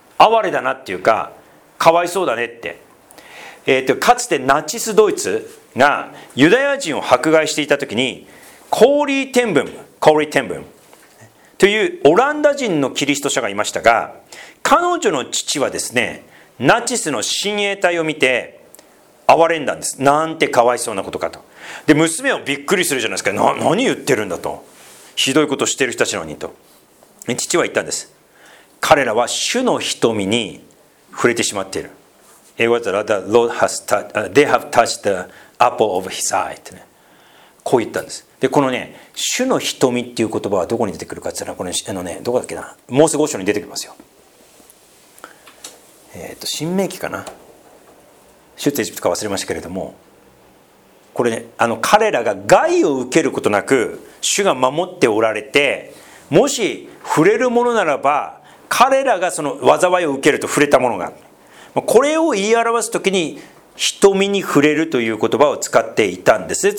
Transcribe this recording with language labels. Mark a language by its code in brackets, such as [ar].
[ja] 哀れだなっていうかかわいそうだねって、かつてナチスドイツがユダヤ人を迫害していた時にコーリーテンブム、コーリーテンブムというオランダ人のキリスト者がいましたが、彼女の父はですねナチスの親衛隊を見て哀れんだんです。なんてかわいそうなことかと。で娘をびっくりするじゃないですか。何言ってるんだと、ひどいことしてる人たちのにと父は言ったんです。彼らは主の瞳に触れてしまっている。英語だったら [en] The Lord has touched, They have touched the apple of his eye [ja] って、ね、こう言ったんです。でこのね主の瞳っていう言葉はどこに出てくるかって言ったらこれあのねどこだっけな、モーセ五章に出てきますよ。新明記かな、出エジプトか忘れましたけれども、これねあの彼らが害を受けることなく主が守っておられて、もし触れるものならば彼らがその災いを受けると、触れたものが、これを言い表すときに瞳に触れるという言葉を使っていたんです。